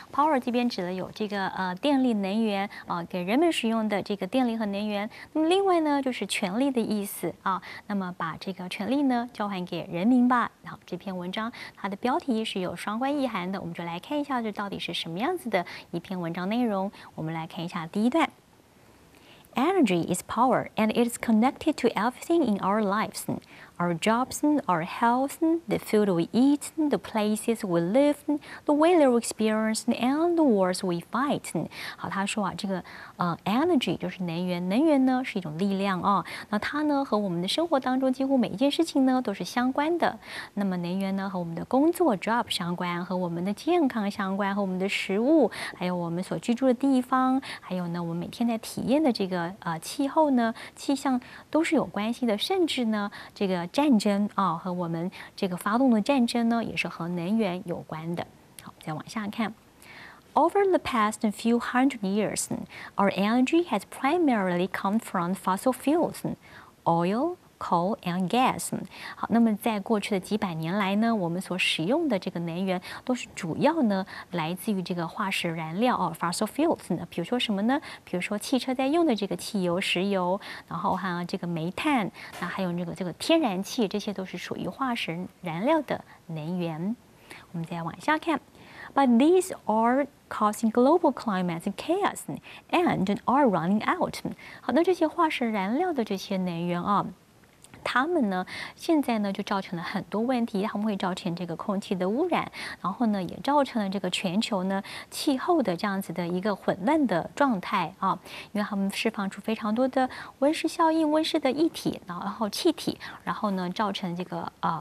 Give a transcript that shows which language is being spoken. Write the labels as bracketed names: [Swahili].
[Chinese] Power 这边指的有这个电力能源啊，给人们使用的这个电力和能源。那么另外呢，就是权力的意思啊。那么把这个权力呢交还给人民吧。好，这篇文章它的标题是有双关意涵的，我们就来看一下这到底是什么样子的一篇文章内容。我们来看一下第一段。 [English] Energy is power, and it is connected to everything in our lives. Our jobs, our health, the food we eat, the places we live, the weather we experience, and the wars we fight. [Chinese] 好，他说啊，这个energy 就是能源，能源呢是一种力量啊。那它呢和我们的生活当中几乎每一件事情呢都是相关的。那么能源呢和我们的工作 job 相关，和我们的健康相关，和我们的食物，还有我们所居住的地方，还有呢我们每天在体验的这个气候呢气象都是有关系的，甚至呢这个战争啊和我们这个发动的战争呢也是和能源有关的。好，再往下看。 [English] Over the past few hundred years, our energy has primarily come from fossil fuels, oil, coal, and gas. [Chinese] 好，那么在过去的几百年来呢，我们所使用的这个能源都是主要呢来自于这个化石燃料哦 ，fossil fuels 呢，比如说什么呢？比如说汽车在用的这个汽油、石油，然后还有这个煤炭，那还有这个天然气，这些都是属于化石燃料的能源。我们再往下看。 [English] But these are causing global climate chaos and are running out. [Chinese] 好，那这些化石燃料的这些能源啊，它们呢现在呢就造成了很多问题，它们会造成这个空气的污染，然后呢也造成了这个全球呢气候的这样子的一个混乱的状态啊，因为它们释放出非常多的温室效应，温室的液体，然后气体，然后呢造成这个